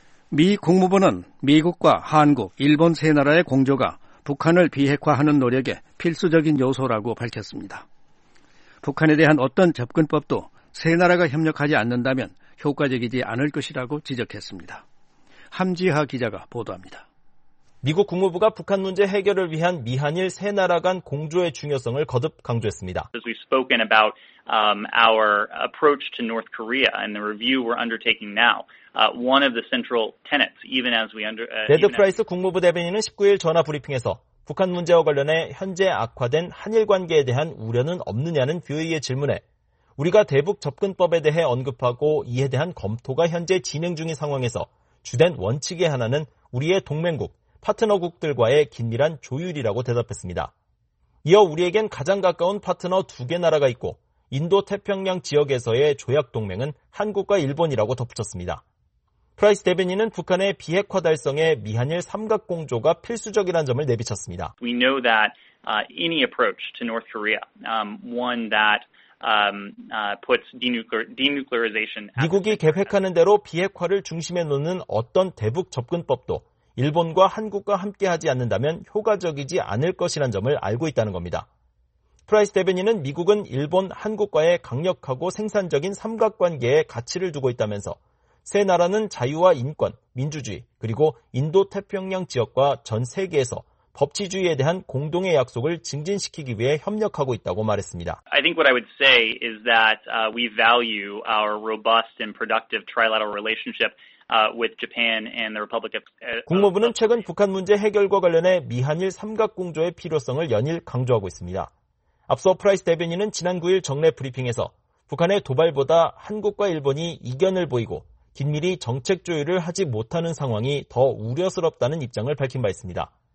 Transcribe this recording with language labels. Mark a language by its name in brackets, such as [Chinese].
[Korean] 미 국무부는 미국과 한국, 일본 세 나라의 공조가 북한을 비핵화하는 노력에 필수적인 요소라고 밝혔습니다. 북한에 대한 어떤 접근법도 세 나라가 협력하지 않는다면 효과적이지 않을 것이라고 지적했습니다. 함지하 기자가 보도합니다. 미국 국무부가 북한 문제 해결을 위한 미한일 세 나라 간 공조의 중요성을 거듭 강조했습니다. [English] As we've spoken about our approach to North Korea and the review we're undertaking now. One of the central tenets, even as we under. [Korean] 레드 프라이스 국무부 대변인은 19일 전화 브리핑에서 북한 문제와 관련해 현재 악화된 한일 관계에 대한 우려는 없느냐는 뷰의 질문에 우리가 대북 접근법에 대해 언급하고 이에 대한 검토가 현재 진행 중인 상황에서 주된 원칙의 하나는 우리의 동맹국, 파트너국들과의 긴밀한 조율이라고 대답했습니다. 이어 우리에겐 가장 가까운 파트너 두 개 나라가 있고 인도태평양 지역에서의 조약 동맹은 한국과 일본이라고 덧붙였습니다. 프라이스 대변인은 북한의 비핵화 달성에 미한일 삼각공조가 필수적이라는 점을 내비쳤습니다. [English] We know that any approach to North Korea, one that puts denuclearization. [Korean] 미국이 계획하는 대로 비핵화를 중심에 놓는 어떤 대북 접근법도 일본과 한국과 함께하지 않는다면 효과적이지 않을 것이라는 점을 알고 있다는 겁니다. 프라이스 대변인은 미국은 일본, 한국과의 강력하고 생산적인 삼각관계에 가치를 두고 있다면서 세 나라는 자유와 인권, 민주주의, 그리고 인도태평양 지역과 전 세계에서 법치주의에 대한 공동의 약속을 증진시키기 위해 협력하고 있다고 말했습니다. [English] I think what I would say is that we value our robust and productive trilateral relationship with Japan and the Republic of. [Korean] 국무부는 최근 북한 문제 해결과 관련해 미한일 삼각공조의 필요성을 연일 강조하고 있습니다. 앞서 프라이스 대변인은 지난 9일 정례 브리핑에서 북한의 도발보다 한국과 일본이 이견을 보이고 긴밀히 정책 조율을 하지 못하는 상황이 더 우려스럽다는 입장을 밝힌 바 있습니다.